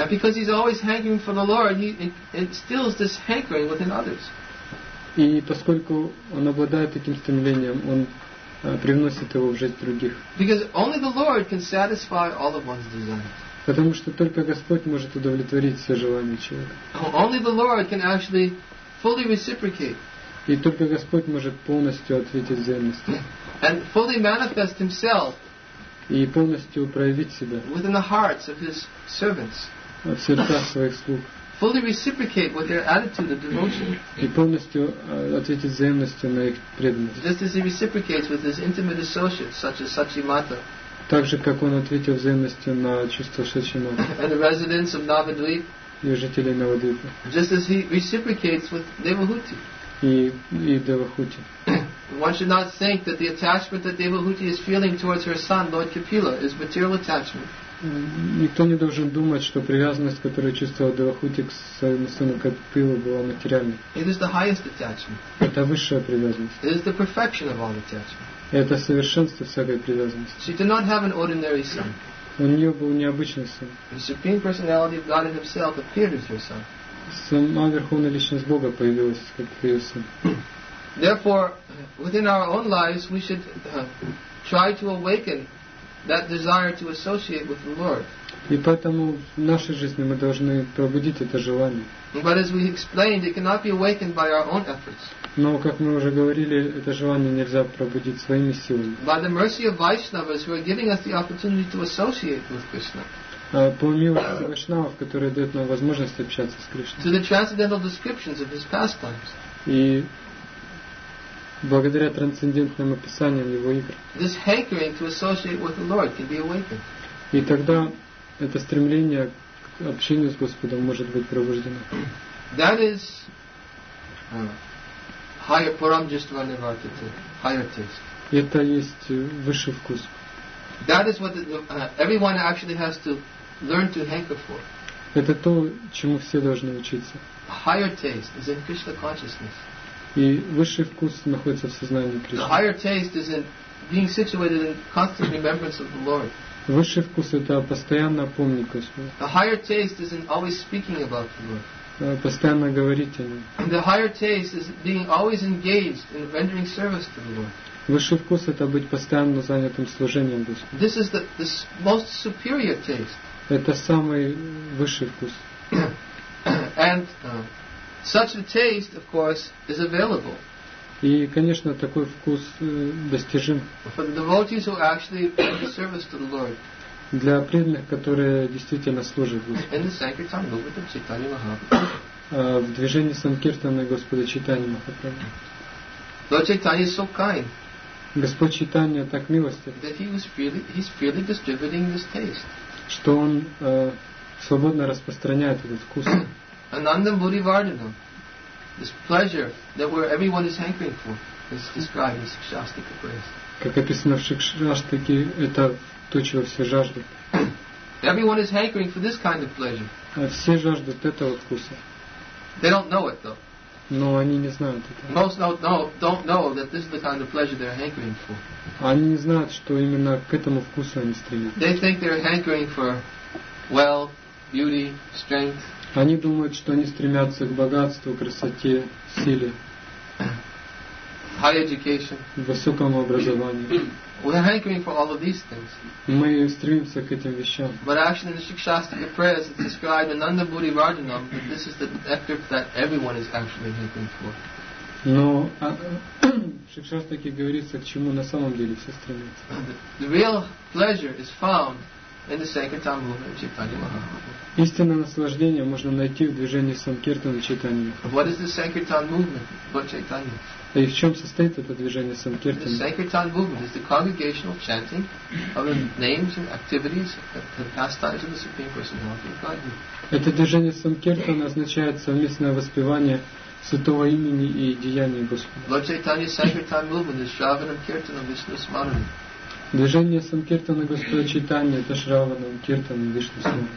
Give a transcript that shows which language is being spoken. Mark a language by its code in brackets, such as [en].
[en] And because he's always hankering for the Lord, he instills this hankering within others. [ru] И поскольку он обладает таким стремлением, он привносит его в жизнь других. [en] Because only the Lord can satisfy all of one's desires. [ru] Потому что только Господь может удовлетворить все желания человека. [en] Only the Lord can actually fully reciprocate. [ru] И только Господь может полностью ответить взаимностью. [en] And fully manifest himself. [ru] И полностью проявить себя. [en] Within the hearts of his servants. [ru] В сердцах своих слуг. [en] Fully reciprocate with their attitude of devotion. [ru] И полностью ответить взаимностью на их преданность. [en] Just as he reciprocates with his intimate associates, such as Sachimata. [ru] Так же, как он ответил взаимностью на чувство Сачимата. [en] And the residents of Navadvip. [ru] И жителей Навадвипа. [en] Just as he reciprocates with Devahuti. [ru] И Девахути. [en] One should not think that the attachment that Devahuti is feeling towards her son, Lord Kapila, is material attachment. [ru] Никто не должен думать, что привязанность, которую чувствовал Девахути к своему сыну Капилу, была материальной. [en] It is the highest attachment. [ru] Это высшая привязанность. [en] It is the perfection of all attachment. [ru] Это совершенство всякой привязанности. [en] She did not have an ordinary son. [ru] У нее был необычный сын. [en] The Supreme Personality of God in Himself appeared as her son. [ru] Сама Верховная Личность Бога появилась как ее сын. [en] Therefore, within our own lives, we should try to awaken that desire to associate with the Lord. [ru] И поэтому в нашей жизни мы должны пробудить это желание. [en] But as we explained, it cannot be awakened by our own efforts. [ru] Но, как мы уже говорили, это желание нельзя пробудить своими силами. [en] By the mercy of Vaishnavas, who are giving us the opportunity to associate with Krishna. [ru] По милости Вайшнавов, которые дают нам возможность общаться с Кришной. [en] To the transcendental descriptions of his pastimes. [ru] И благодаря трансцендентным описаниям его игр. [en] This hankering to associate with the Lord can be awakened. [ru] И тогда это стремление к общению с Господом может быть пробуждено. [en] That is higher paramjastvanivartite, higher taste. [ru] Это есть высший вкус. [en] That is what everyone actually has to learn to hanker for. [ru] Это то, чему все должны учиться. [en] Higher taste is in Krishna consciousness. [ru] И высший вкус находится в сознании Кришны. [en] The higher taste is in being situated in constant remembrance of the Lord. [ru] Высший вкус – это постоянно помнить Господа. [en] The higher taste is in always speaking about the Lord. [ru] Постоянно говорить о Нем. [en] And the higher taste is being always engaged in rendering service to the Lord. [ru] Высший вкус – это быть постоянно занятым служением Господу. [en] This is the most superior taste. [ru] Это самый высший вкус. [en] And such a taste, of course, is available. [ru] И, конечно, такой вкус достижим. [en] For the devotees who actually render service to the Lord. [ru] Для преданных, которые действительно служат Господу. [en] In the Sankirtan movement of Chaitanya Mahaprabhu. [ru] В движении Санкиртана Господа Чайтаньи Махапрабху. [en] Lord Chaitanya is so kind. [ru] Господь Чайтанья так милостив. [en] That he's freely distributing this taste. [ru] Что он свободно распространяет этот вкус. [sa] Анандам Буривардинам. [en] this pleasure that we're everyone is hankering for is described as shastika bliss. [ru] Как описано в шикшастике, это то, чего все жаждут. [en] Everyone is hankering for this kind of pleasure. [ru] Все жаждут этого вкуса. [en] They don't know it though. [ru] Но они не знают это. [en] Most don't know that this is the kind of pleasure they're hankering for. [ru] Они не знают, что именно к этому вкусу они стремятся. [en] They think they're hankering for wealth, beauty, strength. [ru] Они думают, что они стремятся к богатству, красоте, силе. [en] High education. [ru] Высокому образованию. [en] We're hankering for all of these things. [ru] Мы стремимся к этим вещам. [en] But actually, in the Shikshastika prayers, it's described in Ananda Buddhi Rajanam that this is the effort that everyone is actually hankering for. [ru] Но в Шикшастике говорится, к чему на самом деле все стремятся. [en] The real pleasure is found in the Sankirtan movement, Chaitanya Mahaprabhu. [ru] Истинное наслаждение можно найти в движении Санкиртана Чайтанья. [en] What is the Sankirtan movement but Chaitanya? [ru] И в чем состоит это движение Санкиртана? [en] The Sankirtan movement is the congregational chanting of the names and activities and pastimes of the Supreme Personality of Godhead. [ru] Это движение Санкиртана означает совместное воспевание Святого имени и деяния Господа. [en] Lord Chaitanya's Sankirtan movement is [sa] Shravanam Kirtanam Vishnu Smaranam. [ru] Движение Санкиртана Господа Чайтанья это [sa] Шраванам Киртанам Вишну Смаранам.